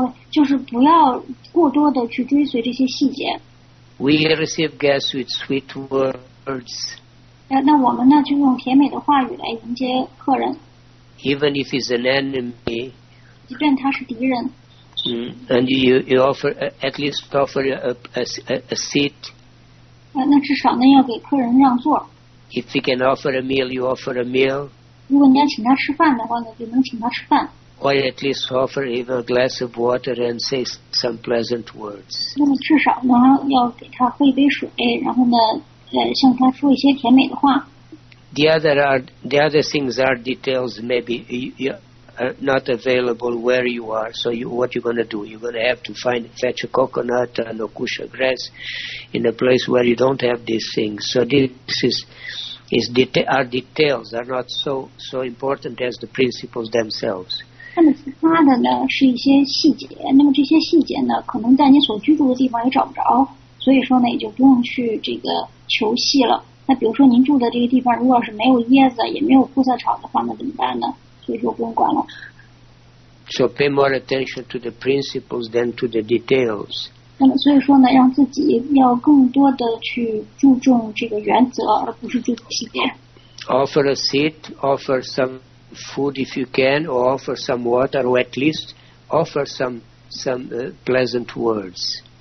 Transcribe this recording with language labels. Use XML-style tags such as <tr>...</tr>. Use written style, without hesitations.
<zh>就是不要过多的去追随这些细节。</zh> <en>We receive guests with sweet words.</en> <zh>那我们呢就用甜美的话语来迎接客人。</zh> <en>Even if he's an enemy,</en> <zh>即便他是敌人。</zh> <en>And you offer at least offer a seat.</en> <zh>那至少呢要给客人让座。</zh> <en>If he can offer a meal, you offer a meal.</en> <zh>如果你要请他吃饭的话呢，就能请他吃饭。</zh> <en>Or at least offer even a glass of water and say some pleasant words.</en> <zh>那么至少呢要给他喝一杯水，然后呢。向他说一些甜美的话。</zh> <en>The other things are details. Maybe you are not available where you are. So what you gonna do? You're gonna have to fetch a coconut and a kusha grass in a place where you don't have these things. So this are details. Are not so important as the principles themselves.</en> <zh>那么其他的呢是一些细节。那么这些细节呢，可能在你所居住的地方也找不着，所以说呢，也就不用去这个。求戏了。那比如说您住的这个地方，如果是没有椰子，也没有枯草草的话，那怎么办呢？所以说不用管了。</zh> <en>So pay more attention to the principles than to the details.</en> <zh>所以说呢，让自己要更多的去注重这个原则，而不是注重体面。</zh> <en>Offer a seat, offer some food if you can, or offer some water, or at least offer some pleasant words.</en>